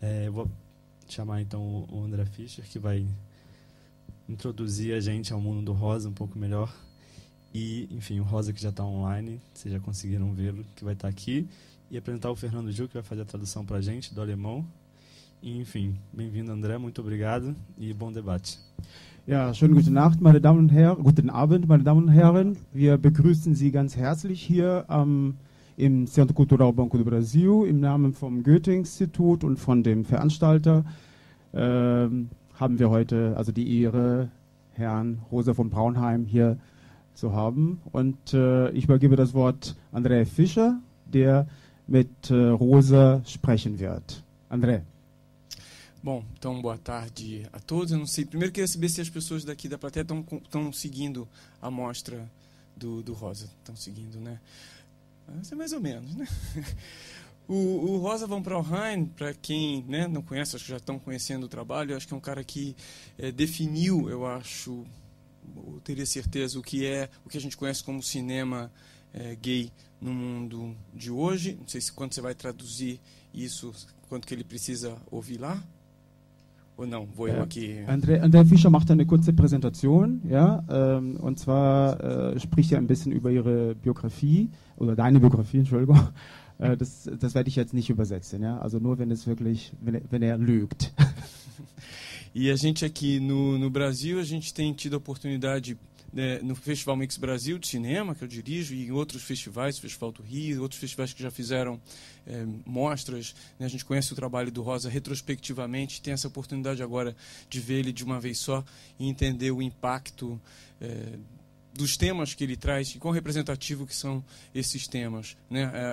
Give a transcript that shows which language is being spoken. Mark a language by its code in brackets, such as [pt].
[pt] Vou chamar então o André Fischer, que vai introduzir a gente ao mundo do rosa um pouco melhor. E, enfim, o Rosa que já está online, vocês já conseguiram vê-lo, que vai estar aqui. E apresentar o Fernando Gil, que vai fazer a tradução para a gente do alemão. E, enfim, bem-vindo, André, muito obrigado e bom debate. [de] Ja, schönen guten Nacht, meine Damen und Herren. Guten Abend, meine Damen und Herren. Wir begrüßen Sie ganz herzlich hier im Centro Cultural Banco do Brasil. Im Namen vom Goethe-Institut und von dem Veranstalter haben wir heute also die Ehre, Herrn Rosa von Braunheim hier zu haben. Und ich übergebe das Wort André Fischer, der mit Rosa sprechen wird. André. [pt] Bom, então boa tarde a todos. Eu não sei. Primeiro queria saber se as pessoas daqui da plateia estão seguindo a mostra do Rosa. Estão seguindo, né? Mas é mais ou menos, né? O Rosa von Braunheim, para quem, né, não conhece, acho que já estão conhecendo o trabalho, eu acho que é um cara que definiu, eu acho, eu teria certeza, o que a gente conhece como cinema gay no mundo de hoje. Não sei se quando você vai traduzir isso, quanto que ele precisa ouvir lá. [de] Oh nein, wo ich okay. André Fischer macht eine kurze Präsentation, ja, und zwar spricht er ein bisschen über ihre Biografie oder deine Biografie, Entschuldigung. Das werde ich jetzt nicht übersetzen, ja, also nur wenn es wirklich, wenn er lügt. [pt] E a gente aqui no Brasil, a gente tem tido a oportunidade, né, no Festival Mix Brasil de Cinema, que eu dirijo, e em outros festivais, Festival do Rio, outros festivais que já fizeram mostras, né, a gente conhece o trabalho do Rosa retrospectivamente, tem essa oportunidade agora de ver ele de uma vez só e entender o impacto dos temas que ele traz e quão representativo que são esses temas, né?